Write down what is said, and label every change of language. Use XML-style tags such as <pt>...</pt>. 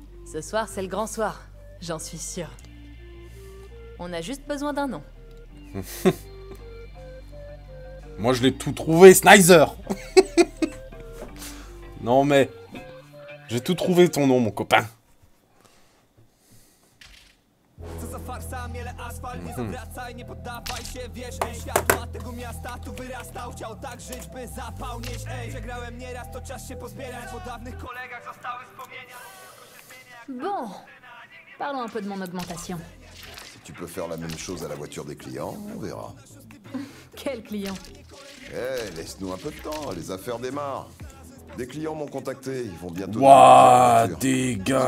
<fr>Ce soir, c'est le grand soir. J'en suis sûr. On a juste besoin d'un nom. Moi, je l'ai tout trouvé, Snyder. Non, mais j'ai tout trouvé ton nom, mon copain.</fr> <pl>nami, ale asfalt nie zawracaj, nie poddawaj się, wiesz, ej. Światła tego miasta tu wyrastał, chciał tak żyć, by zapał nieść, ej. Przegrałem nieraz, to czas się pozbierać, po dawnych kolegach zostały wspomnienia.</pl> <fr>Bon, parlons un peu de mon augmentation. Si tu peux faire la même chose à la voiture des clients, on verra. Quel client ? Eh, hey, laisse-nous un peu de temps, les affaires démarrent. Des clients m'ont contacté, ils vont bientôt... Waouh, des gars !</fr>